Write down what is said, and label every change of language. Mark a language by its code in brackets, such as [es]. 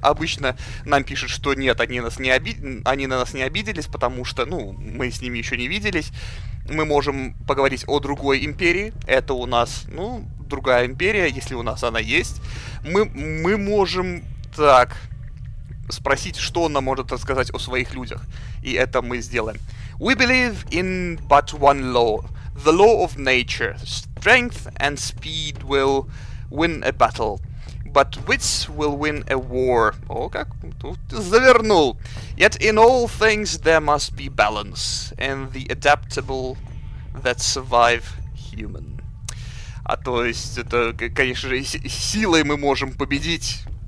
[ru] Обычно нам пишут, что нет, они на нас не обиделись, потому что, ну, мы с ними еще не виделись. Мы можем поговорить о другой империи. Это у нас, ну, другая империя, если у нас она есть. Мы можем, так, спросить, что она может рассказать о своих людях. И это мы сделаем. [en] We believe in but one law, the law of nature. Strength and speed will win a battle, but wits will win a war. [ru] О, как тут завернул. [en] Yet in all things there must be balance, and the adaptable that survive human. [ru] А то есть, это, конечно же, силой мы можем победить...